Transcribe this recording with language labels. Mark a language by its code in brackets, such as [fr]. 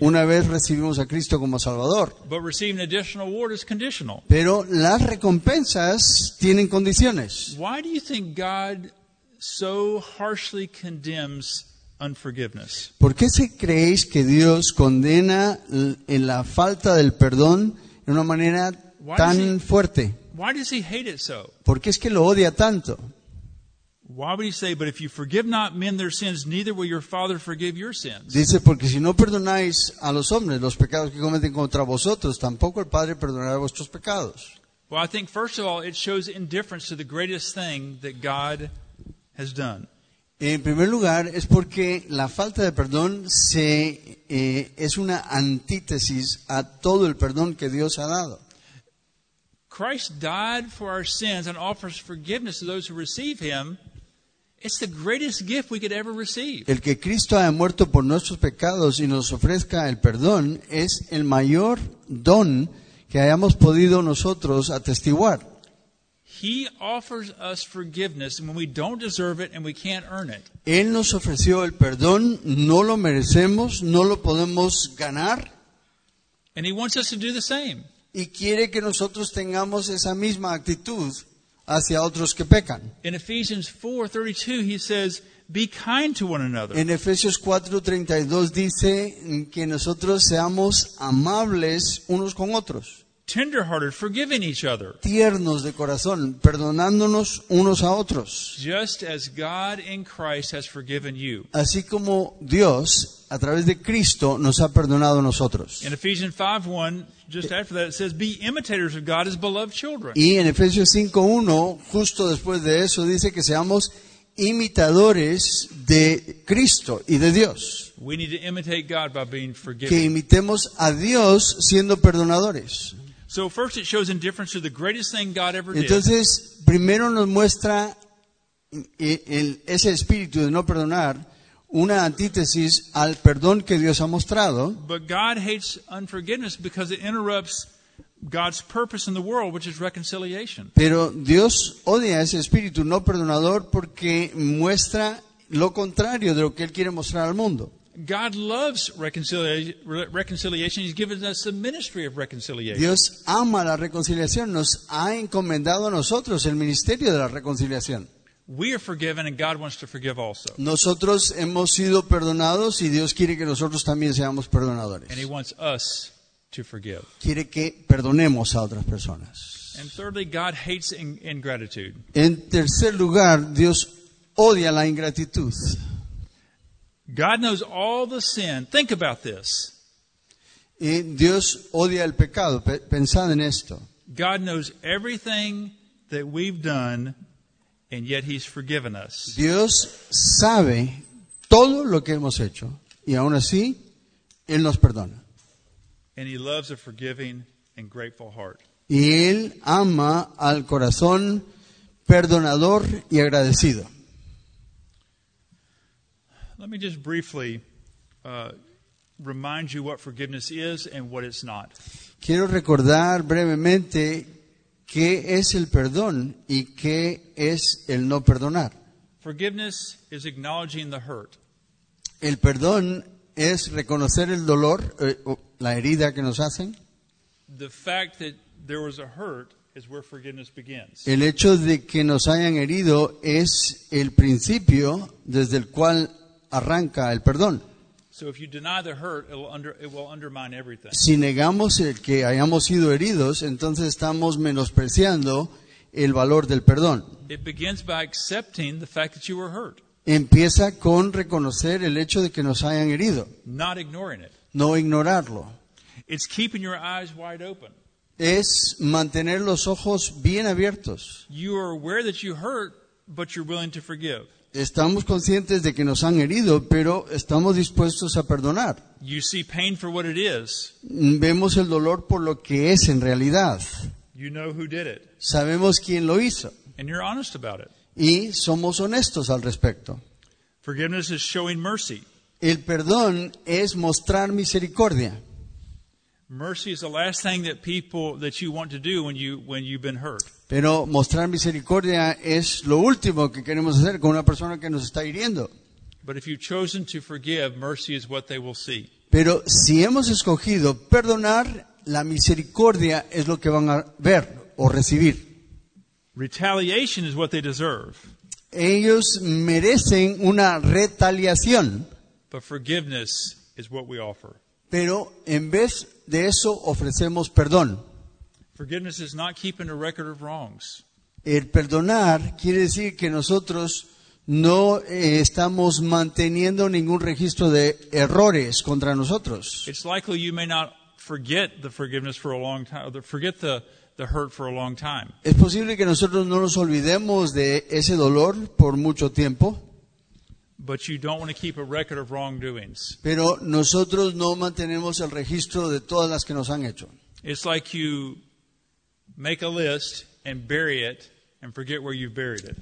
[es] Una vez recibimos a Cristo como Salvador. [en] But receiving additional reward is conditional. [es] Pero las recompensas tienen condiciones. [en] Why do you think God so harshly condemns unforgiveness? [es] ¿Por qué se creéis que Dios condena en la falta del perdón de una manera tan fuerte? [en] Why does he hate it so? [es] ¿Por qué es que lo odia tanto? [en] Why would he say, but if you forgive not men their sins, neither will your Father forgive your sins? [es] Dice, porque si no perdonáis a los hombres los pecados que cometen contra vosotros, tampoco el Padre perdonará vuestros pecados. [en] Well, I think, first of all, it shows indifference to the greatest thing that God has done. [es] En primer lugar, es porque la falta de perdón es una antítesis a todo el perdón que Dios ha dado. [en] Christ died for our sins and offers forgiveness to those who receive him. It's the greatest gift we could ever receive. [es] El que Cristo haya muerto por nuestros pecados y nos ofrezca el perdón es el mayor don que hayamos podido nosotros atestiguar. [en] He offers us forgiveness when we don't deserve it and we can't earn it. [es] Él nos ofreció el perdón, no lo merecemos, no lo podemos ganar. [en] And he wants us to do the same. [es] Y quiere que nosotros tengamos esa misma actitud hacia otros que pecan. [en] In Ephesians 4:32 he says, be kind to one another. [es] En Efesios 4:32 dice que nosotros seamos amables unos con otros. [en] Tender-hearted, forgiving each other. [es] Tiernos de corazón, perdonándonos unos a otros. [en] Just as God in Christ has forgiven you. [es] Así como Dios a través de Cristo nos ha perdonado a nosotros. [en] In Ephesians 5:1 just after that it says, be imitators of God as beloved children. [es] Y en Efesios 5:1 justo después de eso dice que seamos imitadores de Cristo y de Dios. [en] We need to imitate God by being forgiven. [es] Que imitemos a Dios siendo perdonadores. [en] So first it shows indifference to the greatest thing God ever did. [es] Entonces, primero nos muestra ese espíritu de no perdonar una antítesis al perdón que Dios ha mostrado. [en] But God hates unforgiveness because it interrupts God's purpose in the world, which is reconciliation. [es] Pero Dios odia ese espíritu no perdonador porque muestra lo contrario de lo que él quiere mostrar al mundo. [en] God loves reconciliation. He's given us the ministry of reconciliation. [es] Dios ama la reconciliación. Nos ha encomendado a nosotros el ministerio de la reconciliación. [en] We are forgiven, and God wants to forgive also. [es] Nosotros hemos sido perdonados, y Dios quiere que nosotros también seamos perdonadores. [en] And He wants us to forgive. [es] Quiere que perdonemos a otras personas. [en] And thirdly, God hates ingratitude. [es] En tercer lugar, Dios odia la ingratitud. [en] God knows all the sin. Think about this. [es] Y Dios odia el pecado. Pensad en esto. [en] God knows everything that we've done, and yet He's forgiven us. [es] Dios sabe todo lo que hemos hecho, y aún así, Él nos perdona. [en] And He loves a forgiving and grateful heart. [es] Y Él ama al corazón perdonador y agradecido. [en] Let me just briefly remind you what forgiveness is and what it's not. [es] Quiero recordar brevemente qué es el perdón y qué es el no perdonar. [en] Forgiveness is acknowledging the hurt. [es] El perdón es reconocer el dolor, la herida que nos hacen. [en] The fact that there was a hurt is where forgiveness begins. [es] El hecho de que nos hayan herido es el principio desde el cual arranca el perdón. [en] So if you deny the hurt, it will undermine everything. [es] Si negamos el que hayamos sido heridos, entonces estamos menospreciando el valor del perdón. [en] It begins by accepting the fact that you were hurt. [es] Empieza con reconocer el hecho de que nos hayan herido. [en] Not ignoring it. [es] No ignorarlo. [en] It's keeping your eyes wide open. [es] Es mantener los ojos bien abiertos. [en] You are aware that you hurt, but you're willing to forgive. [es] Estamos conscientes de que nos han herido, pero estamos dispuestos a perdonar. [en] You see pain for what it is. [es] Vemos el dolor por lo que es en realidad. [en] You know who did it. [es] Sabemos quién lo hizo. [en] And you're honest about it. [es] Y somos honestos al respecto. [en] Forgiveness is showing mercy. [es] El perdón es mostrar misericordia. [en] Mercy is the last thing that you want to do when you've been hurt. [es] Pero mostrar misericordia es lo último que queremos hacer con una persona que nos está hiriendo. [en] But if you've chosen to forgive, mercy is what they will see. [es] Pero si hemos escogido perdonar, la misericordia es lo que van a ver o recibir. [en] Retaliation is what they deserve. [es] Ellos merecen una retaliación. [en] But forgiveness is what we offer. [es] Pero en vez de eso ofrecemos perdón. [en] Forgiveness is not keeping a record of wrongs. [es] El perdonar quiere decir que nosotros no estamos manteniendo ningún registro de errores contra nosotros. [en] It's likely you may not forget the forgiveness for a long time, forget the hurt for a long time. [es] Es posible que nosotros no nos olvidemos de ese dolor por mucho tiempo. [en] But you don't want to keep a record of wrongdoings. [es] Pero nosotros no mantenemos el registro de todas las que nos han hecho. [en] It's like you make a list and bury it and forget where you've buried it.